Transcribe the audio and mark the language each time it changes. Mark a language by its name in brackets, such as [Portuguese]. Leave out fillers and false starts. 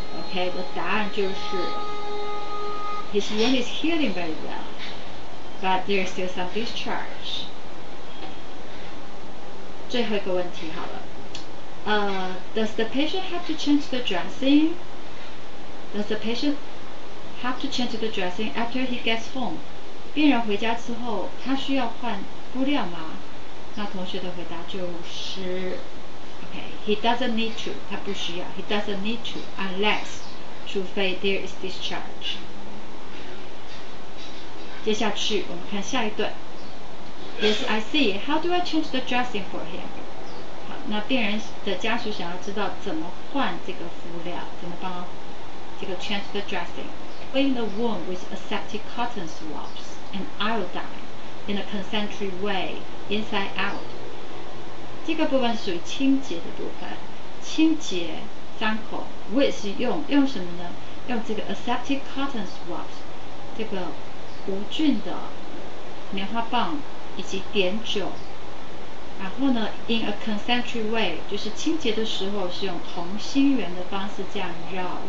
[English] OK, [Chinese] 的答案就是 [English] His wound is healing very well, but there is still some discharge. [Chinese] 最后一个问题好了。 [English] Does the patient have to change the dressing? Does the patient have to change the dressing after he gets home? [Chinese] 病人回家之后，他需要换敷料吗？那同学的回答就是 ， [English] Okay, he doesn't need to. [Chinese] 他不需要。 [English] He doesn't need to unless [Chinese] 除非 [English] there is discharge. [Chinese] 接下去我们看下一段。 [English] Yes, I see. How do I change the dressing for him? [Chinese] 那病人的家属想要知道怎么换这个敷料，怎么帮这个 [English] change the dressing. Clean the wound with aseptic cotton swabs and iodine in a concentric way, inside out. [Chinese] 这个部分属于清洁的部分，清洁伤口 with 用什么呢？用这个 [English] aseptic cotton swabs， [Chinese] 这个无菌的棉花棒以及碘酒。然后呢 ， [English] in a concentric way， [Chinese] 就是清洁的时候是用同心圆的方式这样绕。